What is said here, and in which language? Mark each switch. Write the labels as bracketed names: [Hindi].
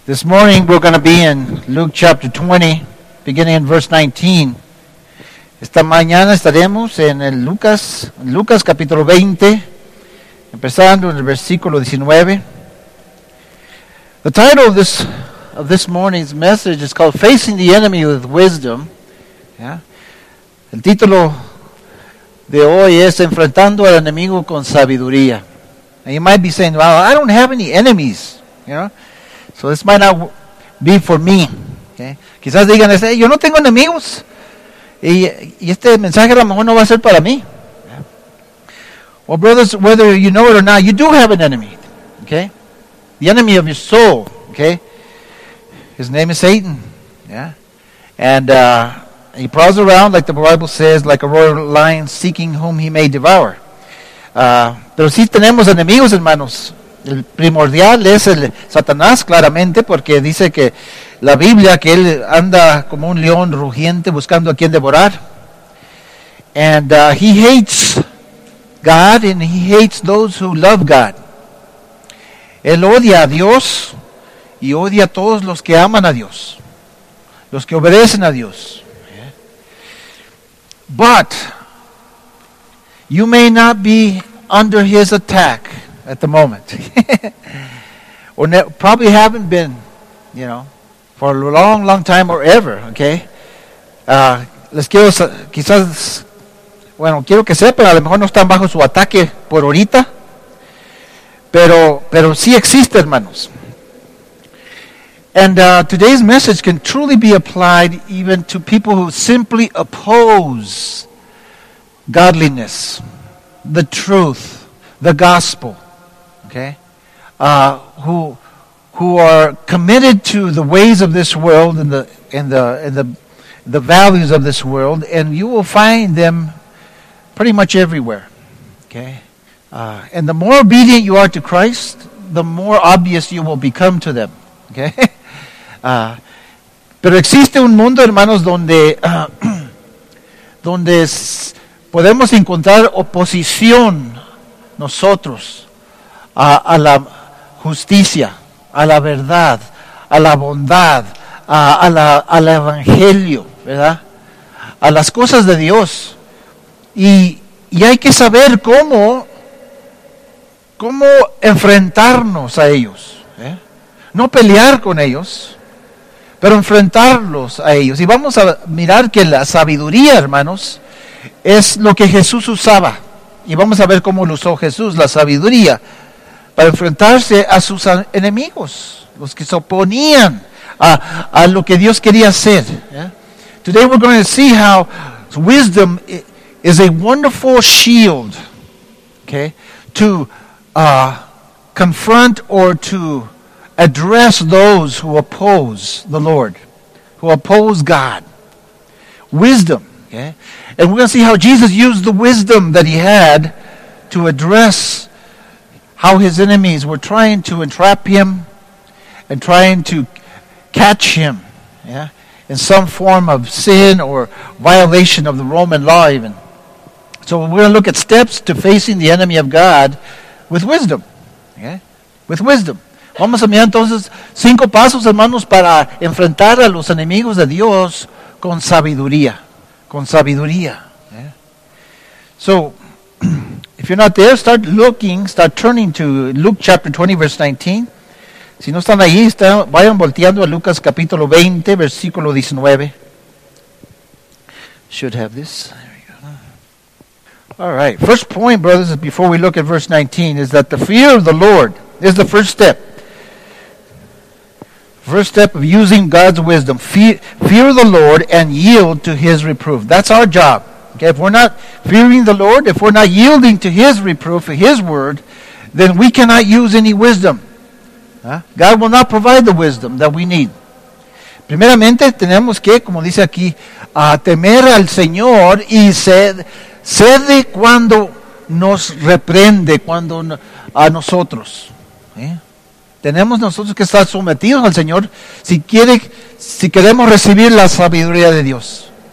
[English] This morning we're going to be in Luke chapter 20, beginning in verse 19. [Spanish] Esta mañana estaremos en el Lucas capítulo 20, empezando en el versículo 19. [English] The title of this morning's message is called Facing the Enemy with Wisdom. Yeah. [Spanish] El título de hoy es Enfrentando al Enemigo con Sabiduría. [English] And you might be saying, well, I don't have any enemies, you know. So this might not be for me. Okay? [Spanish] Quizás digan, hey, yo no tengo enemigos. Y este mensaje a lo mejor no va a ser para mí. [English] Yeah. Well, brothers, whether you know it or not, you do have an enemy. Okay? The enemy of your soul. Okay? His name is Satan. Yeah? And he prowls around, like the Bible says, like a roaring lion seeking whom he may devour. [Spanish] Pero sí tenemos enemigos, hermanos. El primordial es el Satanás, claramente, porque dice que la Biblia, que él anda como un león rugiente buscando a quien devorar. [English] And he hates God and he hates those who love God. [Spanish] Él odia a Dios y odia a todos los que aman a Dios, los que obedecen a Dios. [English] But you may not be under his attack at the moment. Or probably haven't been, you know, for a long, long time or ever, okay? [Spanish] Les quiero, quizás, bueno, quiero que sepan, a lo mejor no están bajo su ataque por ahorita, pero sí existe, hermanos. [English] And today's message can truly be applied even to people who simply oppose godliness, the truth, the gospel. Okay, who are committed to the ways of this world and the values of this world, and you will find them pretty much everywhere. Okay, and the more obedient you are to Christ, the more obvious you will become to them. [Spanish] Okay, pero existe un mundo, hermanos, donde donde podemos encontrar oposición nosotros. A la justicia, a la verdad, a la bondad, al evangelio, ¿verdad? A las cosas de Dios. Y hay que saber cómo enfrentarnos a ellos, ¿eh? No pelear con ellos, pero enfrentarlos a ellos. Y vamos a mirar que la sabiduría, hermanos, es lo que Jesús usaba. Y vamos a ver cómo lo usó Jesús, la sabiduría, para enfrentarse a sus enemigos, los que se oponían a lo que Dios quería hacer. [English] Yeah. Today we're going to see how wisdom is a wonderful shield, okay, to confront or to address those who oppose the Lord, who oppose God. Wisdom, okay? And we're going to see how Jesus used the wisdom that he had to address how his enemies were trying to entrap him and trying to catch him, yeah, in some form of sin or violation of the Roman law even. So we're going to look at steps to facing the enemy of God with wisdom. Yeah? With wisdom. [Spanish] Vamos a mirar entonces cinco pasos, hermanos, para enfrentar a los enemigos de Dios con sabiduría. Con sabiduría. Yeah? [English] So, if you're not there, start looking, start turning to Luke chapter 20, verse 19. [Spanish] Si no están ahí, vayan volteando a Lucas capítulo 20, versículo 19. [English] Should have this. There we go. All right. First point, brothers, before we look at verse 19, is that the fear of the Lord is the first step. First step of using God's wisdom. Fear the Lord and yield to his reproof. That's our job. Okay, if we're not fearing the Lord, if we're not yielding to his reproof, his word, then we cannot use any wisdom. Huh? God will not provide the wisdom that we need. [Spanish] Primeramente, tenemos que, como dice aquí, a temer al Señor y cede cuando nos reprende, cuando a nosotros. ¿Eh? Tenemos nosotros que estar sometidos al Señor si queremos recibir la sabiduría de Dios.